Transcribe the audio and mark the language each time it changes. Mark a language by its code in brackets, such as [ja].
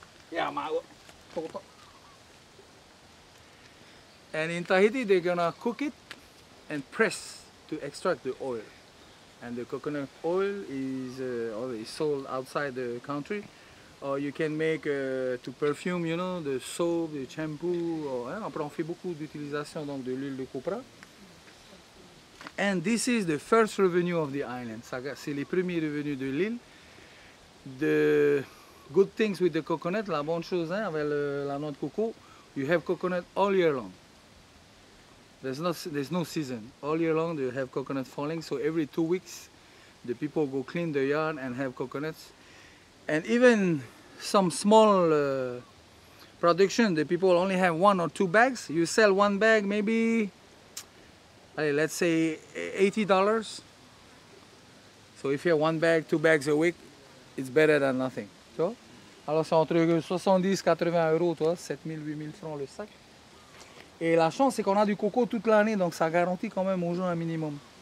[en] Yeah, and in Tahiti, they're gonna cook it and press to extract the oil. And the coconut oil is sold outside the country. Or you can make to perfume, you know, the soap, the shampoo. [fr] Or, après, on fait beaucoup d'utilisation donc de l'huile de copra. [en] And this is the first revenue of the island. [fr] C'est les premiers revenus de l'île. [en] The good things with the coconut, [fr] la bonne chose avec la noix de coco, [en] you have coconut all year long. There's no season. All year long, you have coconut falling. So every 2 weeks, the people go clean the yard and have coconuts. And even some small production, the people only have one or two bags. You sell one bag, maybe, let's say $80. So if you have one bag, two bags a week, it's better than nothing. [fr] So, alors c'est entre 70-80 euros, toi, 7000, 8000 francs le sac. Et la chance, c'est qu'on a du coco toute l'année, donc ça garantit quand même aux gens un minimum.